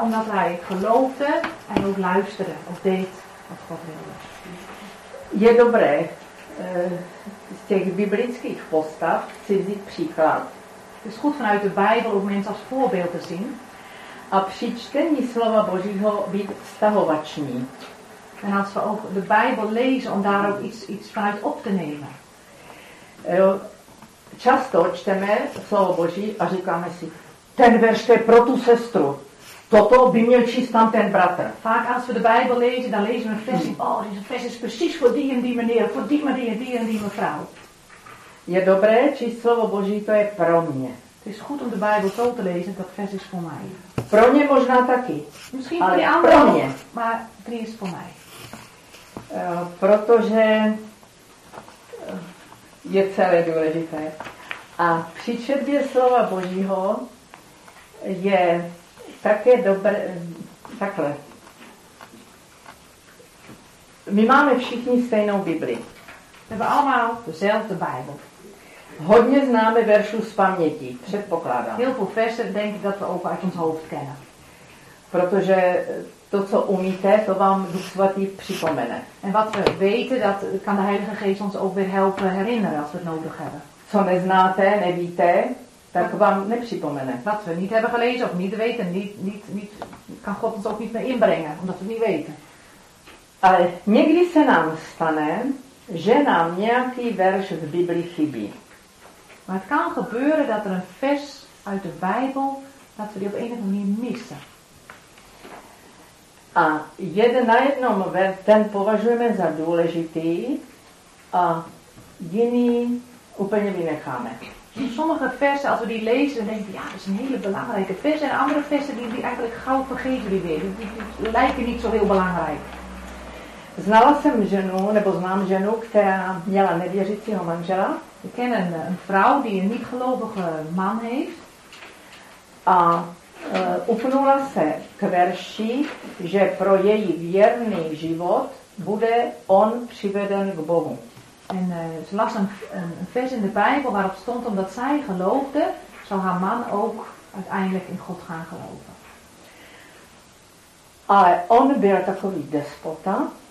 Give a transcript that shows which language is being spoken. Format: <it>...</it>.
<nl>Omdat hij geloofde en ook luisterde, of deed wat God wilde.</nl> <cs>Je dobré z těch biblických postav si vzít příklad.</cs> <nl>Het is goed vanuit de Bijbel om mensen als voorbeeld te zien.</nl> <cs>A při čtení slova Božího být vztahovační.</cs> <nl>En als we ook de Bijbel lezen om daar ook iets vanuit op te nemen.</nl> <cs>Často čteme slovo Boží a říkáme si, ten verš je pro tu sestru, toto by měl číst tam ten bratr.</cs> <nl>Vaak als we de Bijbel lezen, dan lezen we een vers, deze vers is precies voor die en die meneer, voor die meneer, die en die mevrouw.</nl> <cs>Je dobré číst slovo Boží, to je pro mě.</cs> <nl>Het is goed om de Bijbel zo te lezen, dat vers is voor mij.</nl> <cs>Pro mě možná taky.</cs> <nl>Misschien voor die andere,</nl> <cs>pro mě.</cs> <nl>Maar die is voor mij.</nl> <cs>Protože... je celé důležité. A při četbě slova Božího je také dobré, takhle. My máme všichni stejnou Bibli. Nebo</cs> <nl>allemaal dezelfde Bijbel.</nl> <cs>Hodně známe veršů z paměti, předpokládám.</cs> <nl>Heel veel versen denk ik dat we ook uit ons hoofd kennen.</nl> <cs>Protože to, co umíte, to vám Duch Svatý připomene.</cs> <nl>En wat we weten, dat kan de Heilige Geest ons ook weer helpen herinneren, als we het nodig hebben.</nl> <cs>Co neznáte, nevíte, tak vám nepřipomene.</cs> <nl>Wat we niet hebben gelezen of niet weten, niet kan God ons ook niet meer inbrengen, omdat we niet weten.</nl> <cs>Ale někdy se nám stane, že nám nějaký verš z Biblii chybí.</cs> <nl>Maar het kan gebeuren dat er een vers uit de Bijbel, dat we die op een of andere manier missen.</nl> <cs>A jeden na jednom vers, ten považujeme za důležitý, a jiný úplně vynecháme.</cs> <nl>Sommige versen, als we die lezen, dan denk je, ja, dat is een hele belangrijke vers. En andere versen, die eigenlijk gauw vergeten die weer. Die lijken niet zo heel belangrijk.</nl> <cs>Znala jsem ženu, nebo znám ženu, která měla nevěřícího manžela.</cs> <nl>Ik ken een vrouw die een niet-gelovige man heeft.</nl> <cs>A upnula se k verši, že pro její věrný život bude on přiveden k Bohu.</cs> <nl>En ze las een vers in de Bijbel waarop stond, omdat zij geloofde, zal haar man ook uiteindelijk in God gaan geloven.</nl> <cs>Ale on byl takový despota.</cs>